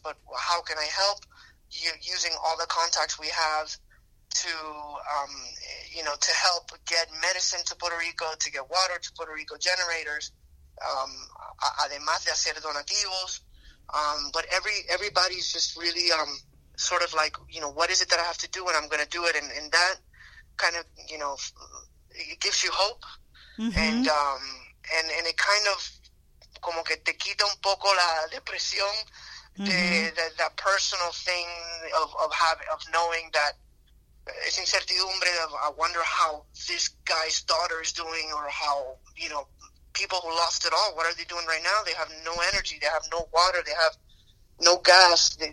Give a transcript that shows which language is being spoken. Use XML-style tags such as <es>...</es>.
<en>But how can I help? Using all the contacts we have to help get medicine to Puerto Rico, to get water to Puerto Rico, generators.</en> <es>Además de hacer donativos,</es> <en>but everybody's just really sort of like, you know, what is it that I have to do and I'm going to do it, and that kind of, you know, it gives you hope. Mm-hmm. and it kind of</en> <es>como que te quita un poco la depresión. Mm-hmm.</es> <en>the personal thing of knowing that</en> <es>es incertidumbre</es> <en>of, I wonder how this guy's daughter is doing, or how, you know, people who lost it all, what are they doing right now? They have no energy, they have no water, they have no gas.</en>